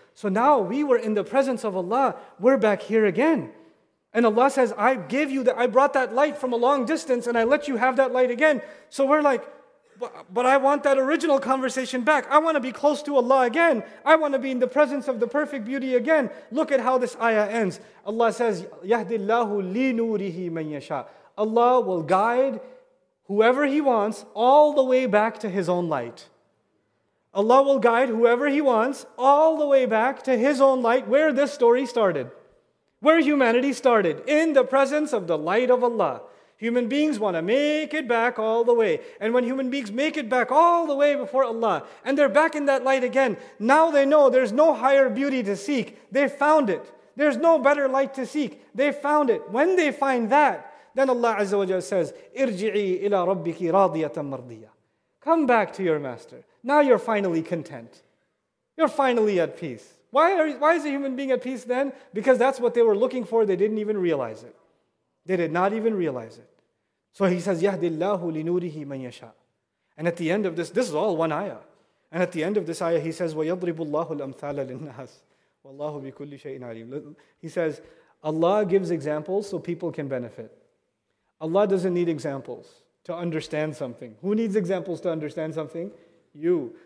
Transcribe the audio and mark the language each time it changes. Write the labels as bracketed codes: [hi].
[en] So now we were in the presence of Allah. We're back here again. And Allah says, I brought that light from a long distance and I let you have that light again. So we're like, but I want that original conversation back. I want to be close to Allah again. I want to be in the presence of the perfect beauty again. Look at how this ayah ends. Allah says, [ar] يَهْدِ اللَّهُ لِنُورِهِ مَنْ يَشَاءُ. [en] Allah will guide whoever He wants all the way back to His own light. Allah will guide whoever He wants all the way back to His own light, where this story started, where humanity started, in the presence of the light of Allah. Human beings want to make it back all the way. And when human beings make it back all the way before Allah, and they're back in that light again, now they know there's no higher beauty to seek. They found it. There's no better light to seek. They found it. When they find that, then Allah Azza wa Jalla says, [ar] "Irji'i ila rabbiki radiyatan mardiyah." [en] Come back to your master. Now you're finally content. You're finally at peace. Why is a human being at peace then? Because that's what they were looking for. They didn't even realize it. They did not even realize it. So He says, [ar] يَهْدِ اللَّهُ لِنُورِهِ مَنْ يَشَاءُ. [en] And at the end of this is all one ayah. And at the end of this ayah, He says, [ar] وَيَضْرِبُ اللَّهُ الْأَمْثَالَ لِلنَّاسِ وَاللَّهُ بِكُلِّ شَيْءٍ عَلِيمٌ. [en] He says, Allah gives examples so people can benefit. Allah doesn't need examples to understand something. Who needs examples to understand something? You.